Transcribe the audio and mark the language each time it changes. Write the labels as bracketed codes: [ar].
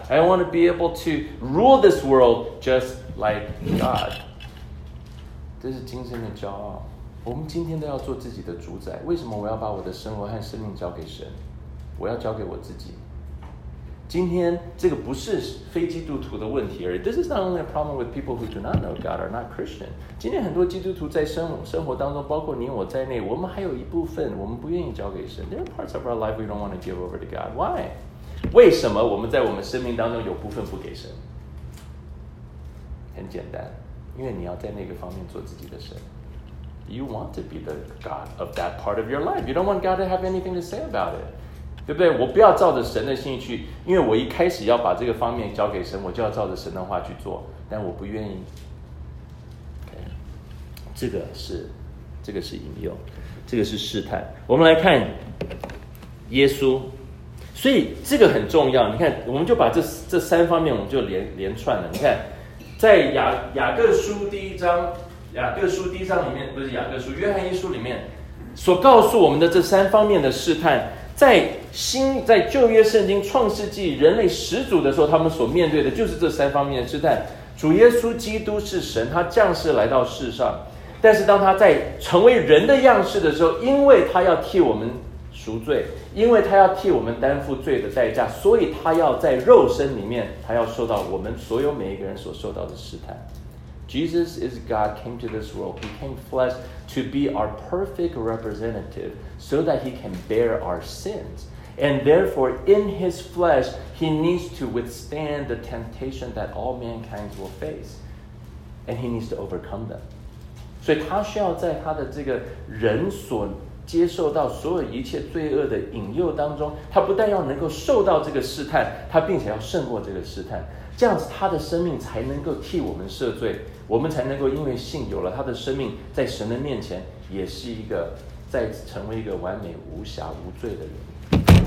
[en] I want to be able to rule this world just like God. [zh] 这是今生的骄傲。我们今天都要做自己的主宰。为什么我要把我的生活和生命交给神？我要交给我自己。今天这个不是非基督徒的问题而已。 [en] This is not only a problem with people who do not know God or not Christian. [zh] 今天很多基督徒在生活当中，包括你我在内，我们还有一部分我们不愿意交给神。 [en] There are parts of our life we don't want to give over to God. Why? [zh] 为什么我们在我们生命当中有部分不给神？很简单，因为你要在那个方面做自己的神。 [en] You want to be the God of that part of your life. You don't want God to have anything to say about it. [zh] 对不对？我不要照着神的心意去，因为我一开始要把这个方面交给神，我就要照着神的话去做，但我不愿意。 Okay. 这个是引诱，这个是试探。我们来看耶稣，所以这个很重要。你看，我们就把 这三方面我们就 连串了。你看，在约翰一书里面所告诉我们的这三方面的试探，在旧约圣经创世纪人类始祖的时候，他们所面对的就是这三方面的试探。主耶稣基督是神，他降世来到世上，但是当他在成为人的样式的时候，因为他要替我们赎罪，因为他要替我们担负罪的代价，所以他要在肉身里面，他要受到我们所有每一个人所受到的试探。 [en] Jesus is God, came to this world, became flesh to be our perfect representative so that he can bear our sins. And therefore, in his flesh, he needs to withstand the temptation that all mankind will face. And he needs to overcome them. [zh] 所以他需要在他的这个人所接受到所有一切罪恶的引诱当中，他不但要能够受到这个试探，他并且要胜过这个试探。这样子他的生命才能够替我们赦罪，我们才能够因为信有了他的生命，在神的面前也是一个再成为一个完美无瑕无罪的人。